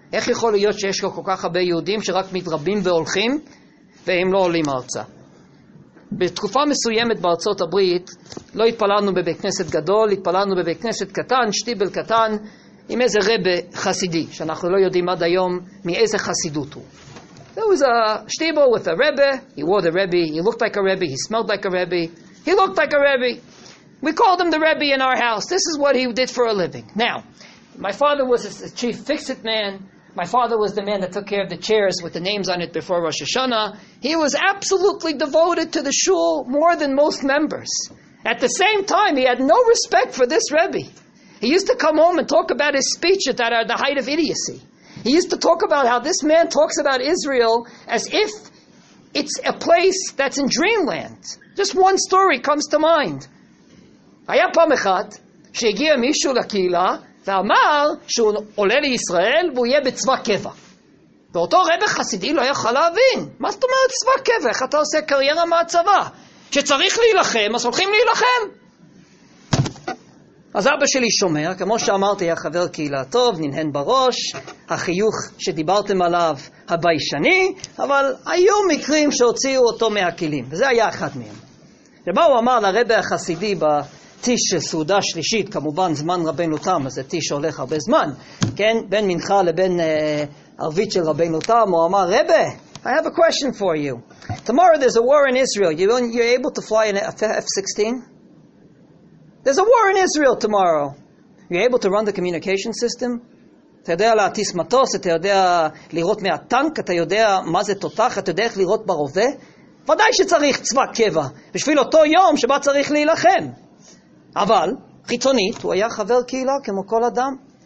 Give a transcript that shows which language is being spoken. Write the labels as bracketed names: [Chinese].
[Hebrew] איך יכול להיות שיש לו כל כך הרבה יהודים שרק מתרבים והולכים והם לא עולים ארצה? בתקופה מסוימת בארצות הברית לא התפללנו בבית כנסת גדול, התפללנו בבית כנסת קטן, שטיבל קטן, עם איזה רבה חסידי, שאנחנו לא יודעים עד היום מאיזה חסידות הוא. [English] There was a shtibo with a rebbe. He wore the rebbe. He looked like a rebbe. He smelled like a rebbe. He looked like a rebbe. We called him the rebbe in our house. This is what he did for a living. Now, my father was the chief fix-it man. My father was the man that took care of the chairs with the names on it before Rosh Hashanah. He was absolutely devoted to the shul more than most members. At the same time, he had no respect for this rebbe. He used to come home and talk about his speech at the height of idiocy. He used to talk about how this man talks about Israel as if it's a place that's in dreamland. Just one story comes to mind. [Hebrew] Haya pam echad shehigi mishu lakila ואמר שהוא עולה לישראל והוא יהיה בצבא קבע. ואותו רבי חסידי לא יכול להבין. מה זאת אומרת צבא קבע? איך אתה עושה קריירה מהצבא? שצריך להילחם, אז הולכים להילחם. אז אבא שלי שומע, כמו שאמרתי, היה חבר קהילה טוב, ננהן בראש, החיוך שדיברתם עליו הביישני, אבל היו מקרים שהוציאו אותו מהכלים, וזה היה אחד מהם. ומה הוא אמר לרבי החסידי טיש של סעודה שלישית, כמובן זמן רבנו תם, אז זה טיש שהולך הרבה זמן, כן? בין מנחה לבין ערבית של רבנו תם, הוא אמר, רבי, [English] I have a question for you. Tomorrow there's a war in Israel. You're able to fly an F-16? There's a war in Israel tomorrow. You're able to run the communication system? [Hebrew] אתה יודע להטיס מטוס, אתה יודע לראות מהטנק, אתה יודע מה זה תותח, אתה יודע איך לראות ברובה? ודאי שצריך צבא קבע, בשביל אותו יום שבה צריך להילחם. אבל, חיצונית, הוא היה חבר קהילה כמו כל אדם.